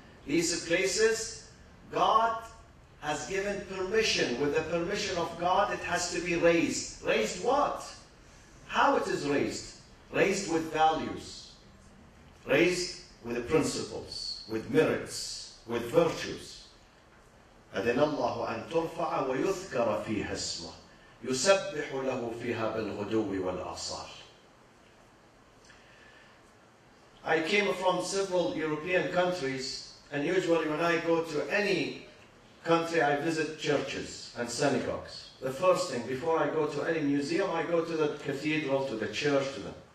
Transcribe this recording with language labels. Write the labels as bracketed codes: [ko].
[en] These places, God has given permission. With the permission of God, it has to be raised. Raised what? How it is raised? Raised with values. Raised with the principles, with merits, with virtues. [ar] أذن الله أن ترفع ويذكر فيها اسمه يسبح له فيها بالغدو والأصال. [en] I came from several European countries, and usually when I go to any country, I visit churches and synagogues. The first thing, before I go to any museum, I go to the cathedral, to the church, to them.